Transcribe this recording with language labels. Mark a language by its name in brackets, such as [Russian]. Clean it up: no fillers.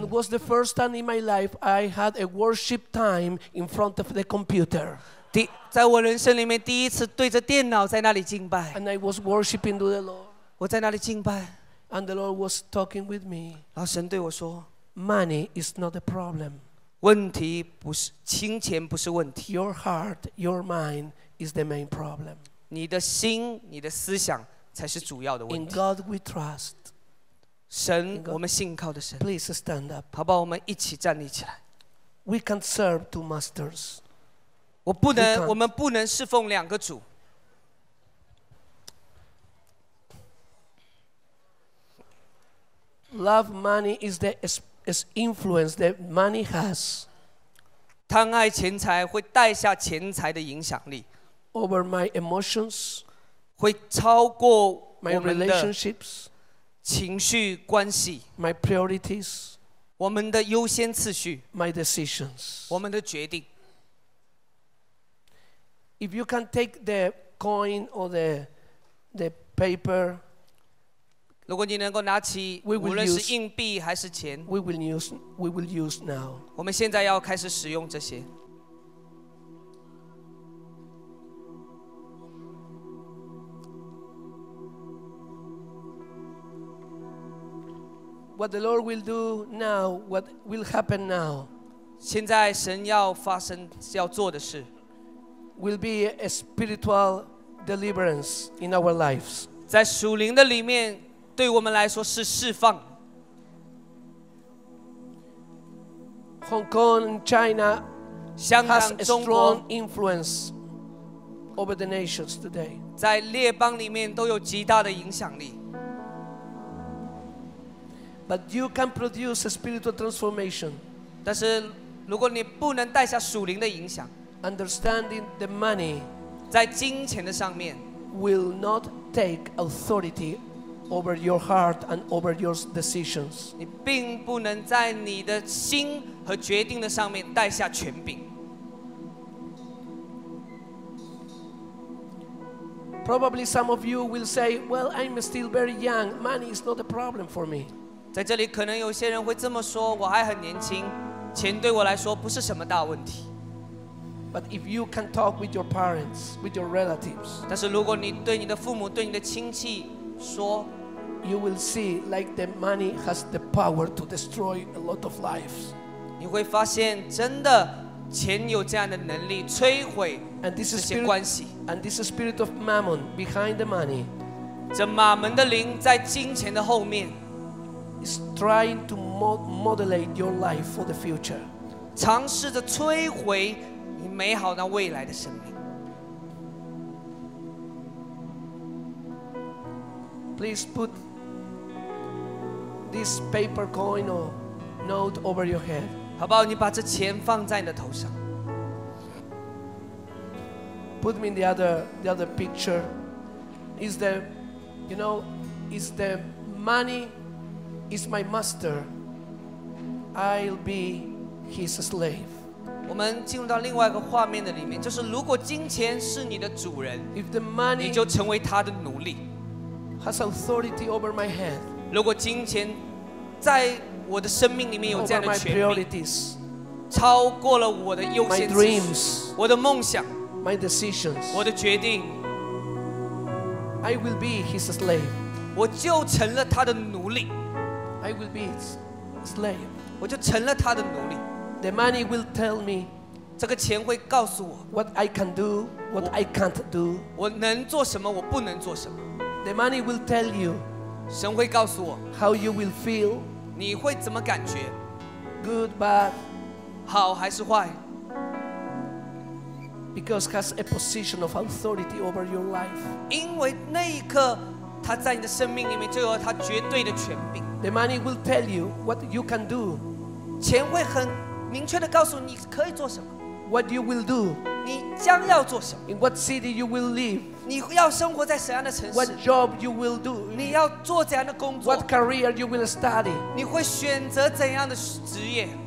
[English] And it was the first time in my life I had a worship time in front of the computer. [Chinese] 在我人生里面第一次对着电脑在那里敬拜。 [English] And I was worshiping to the Lord. [Chinese] 我在那里敬拜。 [English] And the Lord was talking with me. [Chinese] 然后神对我说 [English] ，Money is not a problem. [Chinese] 问题不是金钱不是问题。 [English] Your heart, your mind.Is the main problem. [Chinese] 你的心，你的思想才是主要的问题。 [English] In God we trust. [Chinese] 神，我们信靠的神。 [English] Please stand up. [Chinese] 好吧，我们一起站立起来。 [English] We can't serve two masters. [Chinese] 我们不能侍奉两个主。 [English] Love money is the influence that money has. [Chinese] 贪爱钱财会带下钱财的影响力。 [English] Over my emotions. [Chinese] 会超过我们的 [English] my relationships. [Chinese] 情绪关系。 [English] My priorities. [Chinese] 我们的优先次序 [English] My decisions [Chinese] 我们的决定 [English] If you can take the coin or the paper [Chinese] 如果你能够拿起无论是硬币还是钱 [English] we will use now [Chinese] 我们现在要开始使用这些 [English] What the Lord will do now, what will happen now? [Chinese] 现在神要发生要做的事 [English] will be a spiritual deliverance in our lives. [Chinese] 在属灵的里面，对我们来说是释放。 [English] Hong Kong and China, [Chinese] 香港、中国 [English] has a strong influence over the nations today. [Chinese] 在列邦里面都有极大的影响力。 [English] But you can produce a spiritual transformation. [Chinese] 但是如果你不能带下属灵的影响 [English] understanding the money [Chinese] 在金钱的上面 [English] will not take authority over your heart and over your decisions. [Chinese] 你并不能在你的心和决定的上面带下权柄 [English] Probably some of you will say, well, I'm still very young. Money is not a problem for me. [Chinese] 在这里可能有些人会这么说我还很年轻钱对我来说不是什么大问题 [English] But if you can talk with your parents with your relatives [Chinese] 但是如果你对你的父母对你的亲戚说 [English] You will see like the money has the power to destroy a lot of lives [Chinese] 你会发现真的钱有这样的能力摧毁这些关系 [English] And this is spirit of mammon behind the money [Chinese] 这马门的灵在金钱的后面 [English] Is trying to modulate your life for the future. [Chinese] 尝试着摧毁你美好那未来的生命 [English] Please put this paper coin or note over your head. [Chinese] 好不好？你把这钱放在你的头上。 [English] Put me in the other picture. Is the, you know, is the money. Is my master, I'll be his slave. [Chinese] 我们进入到另外一个画面的里面，就是如果金钱是你的主人 [English] ，If the money [Chinese] 你就成为他的奴隶 [English] ，has authority over my head. [Chinese] 如果金钱在我的生命里面有这样的权柄 [English] ，over my priorities, [Chinese] 超过了我的优先次序 [English] ，my dreams, [Chinese] 我的梦想 [English] ，my decisions, [Chinese] 我的决定 [English] ，I will be his slave. [Chinese] 我就成了他的奴隶。 [English] I will be his slave. [Chinese] 我就成了他的奴隶。 [English] The money will tell me. [Chinese] 这个钱会告诉我。 [English] What I can do, what I can't do. [Chinese] 我能做什么，我不能做什么。 [English] The money will tell you. [Chinese] 神会告诉我。 [English] How you will feel. [Chinese] 你会怎么感觉 [English] ？Good, bad. [Chinese] 好还是坏 [English] ？Because has a position of authority over your life. [Chinese] 因为那一刻，他在你的生命里面就有他绝对的权柄。 [English] The money will tell you what you can do. [Chinese] 钱会很明确地告诉你可以做什么。 [English] What you will do. [Chinese] 你将要做什么。 [English] In what city you will live. [Chinese] 你要生活在什么样的城市。 [English] What job you will do. [Chinese] 你要做怎样的工作。 [English] What career you will study. [Chinese] 你会选择怎样的职业。